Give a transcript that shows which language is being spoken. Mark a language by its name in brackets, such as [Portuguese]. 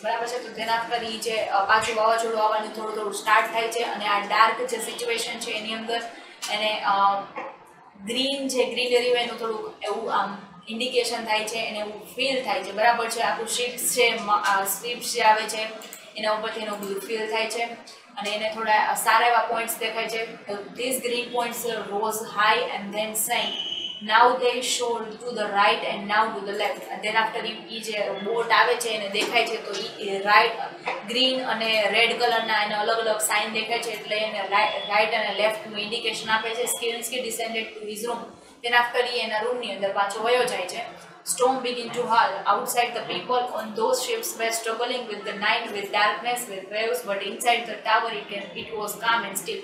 [Gujarati] બરાબર છે, તો તેના પર એ જે પાછું વાવાઝોડું આવવાનું થોડું થોડું સ્ટાર્ટ થાય છે અને આ ડાર્ક જે સિચ્યુએશન છે એની અંદર એને ગ્રીન જે ગ્રીનરી હોય એનું થોડુંક એવું આમ ઇન્ડિકેશન થાય છે અને એવું ફીલ થાય છે. બરાબર છે, આખું શિપ્સ છે, શિપ્સ જે આવે છે એના ઉપરથી એનું ફીલ થાય છે અને એને થોડા સારા એવા પોઈન્ટ્સ દેખાય છે. [English] This green points rose high and then sank. Now they showed to the right and now to the left. And then after [Gujarati] ઈ જે બોટ આવે છે એને દેખાય છે તો ઈ રાઈટ ગ્રીન અને રેડ કલરના એને અલગ અલગ સાઈન દેખાય છે, એટલે એને રાઈટ અને લેફ્ટનું ઇન્ડિકેશન આપે છે. [English] Skinski descended to his room. [Gujarati] તેના આફ્ટર ઈ એના રૂમની અંદર પાછો વયો જાય છે. [English] Storm begin to howl outside the people on those ships were struggling with the night with darkness with waves but inside the tower it was calm and still.